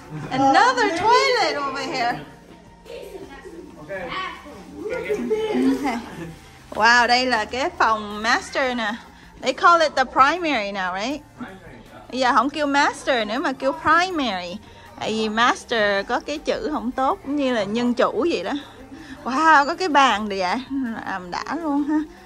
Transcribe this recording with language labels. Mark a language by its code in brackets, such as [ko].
[en] Another toilet over here. [vi] Wow, đây là cái phòng master nè. [en] They call it the primary now, right? [vi] Yeah, không kêu master nữa mà kêu primary. Tại vì master có cái chữ không tốt, cũng như là nhân chủ vậy đó. Wow, có cái bàn đi vậy, làm đã luôn ha.